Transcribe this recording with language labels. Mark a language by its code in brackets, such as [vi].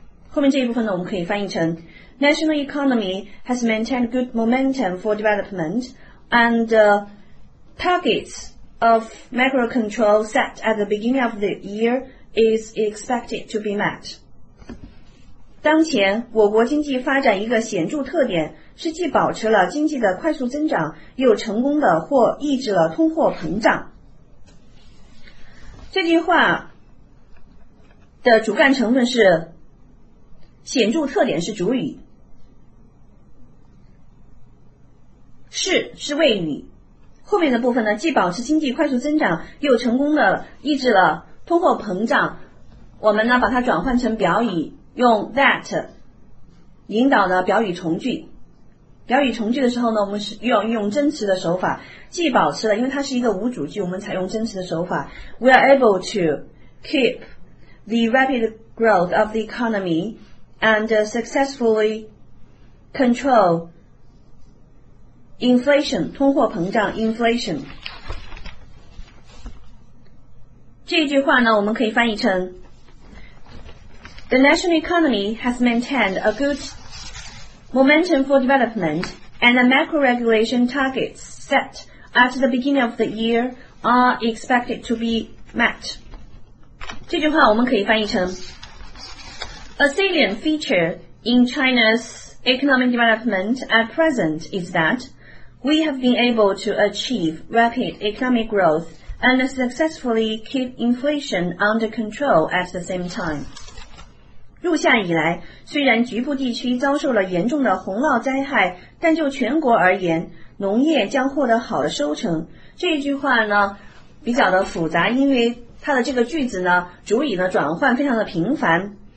[zh] 后面这一部分呢，我们可以翻译成 [en] National economy has maintained good momentum for development and targets of macro control set at the beginning of the year is expected to be met. [zh] 当前我国经济发展一个显著特点是既保持了经济的快速增长，又成功的或抑制了通货膨胀。这句话的主干成分是显著特点是主语，是谓语，后面的部分呢，既保持经济快速增长，又成功的抑制了通货膨胀，我们呢把它转换成表语，用 that 引导的表语从句。表语从句的时候呢，我们是要用真词的手法，既保持了，因为它是一个无主句，我们采用真词的手法。 [en] We are able to keep the rapid growth of the economy and successfully control inflation, [zh] 通货膨胀 [en] inflation. [zh] 这一句话呢，我们可以翻译成 [en] The national economy has maintained a good momentum for development and the macro regulation targets set at the beginning of the year are expected to be met. [zh] 这句话我们可以翻译成 [en] A salient feature in China's economic development at present is that we have been able to achieve rapid economic growth and successfully keep inflation under control at the same time. [zh] 入夏以来，虽然局部地区遭受了严重的洪涝灾害，但就全国而言，农业将获得好的收成。这一句话呢，比较的复杂，因为它的这个句子呢，主语呢转换非常的频繁。